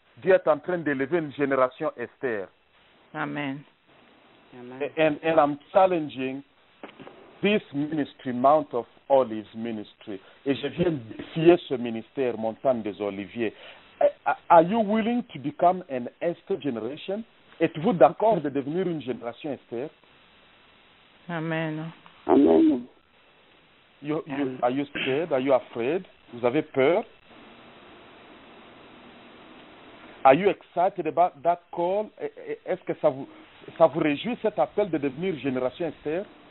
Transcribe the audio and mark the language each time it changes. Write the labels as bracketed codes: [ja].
[fr] Dieu est en train d'élever une génération Esther. Amen. [en] And I'm challenging this ministry, Mount of Olives ministry. [fr] Et je viens défier ce ministère, Montagne des Oliviers. [en] Are you willing to become an Esther generation? [fr] Êtes-vous d'accord de devenir une génération Esther? Amen. Amen. [en] Are you scared? Are you afraid? [fr] Vous avez peur? [en] Are you excited about that call? [fr] Est-ce que ça vous réjouit cet appel de devenir génération Esther?